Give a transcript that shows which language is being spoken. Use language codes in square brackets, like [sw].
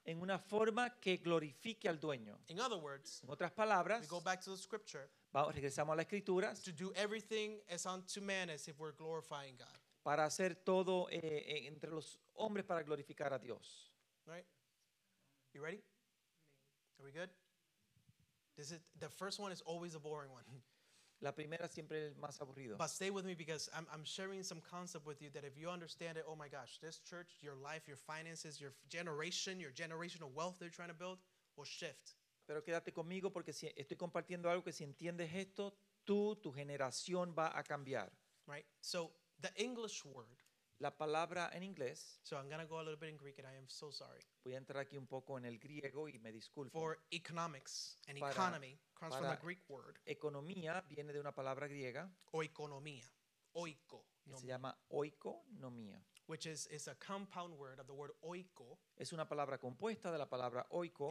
[es] en una forma que glorifique al dueño. [en] In other words, [es] en otras palabras, [en] we go back to the scripture, [es] vamos, regresamos a las escrituras, [en] to do everything as unto man as if we're glorifying God, [es] para hacer todo entre los hombres para glorificar a Dios. [en] All right? You ready? Are we good? This is the first one is always a boring one. [es] La primera siempre es más aburrido. [en] But stay with me because I'm sharing some concept with you that if you understand it, oh my gosh, this church, your life, your finances, your generational wealth they're trying to build will shift. [es] Pero quédate conmigo porque si estoy compartiendo algo que si entiendes esto, tu generación va a cambiar. [en] Right? So the English word. [es] La palabra en inglés. [en] So I'm going to go a little bit in Greek and I am so sorry. [es] Voy a entrar aquí un poco en el griego y me disculpo. [en] For economics and economy comes from a Greek word. [es] Economía viene de una palabra griega. [en] Oikonomía. Oiko. [es] Se llama oikonomía. [en] Which is a compound word of the word oiko. [es] Es una palabra compuesta de la palabra oiko.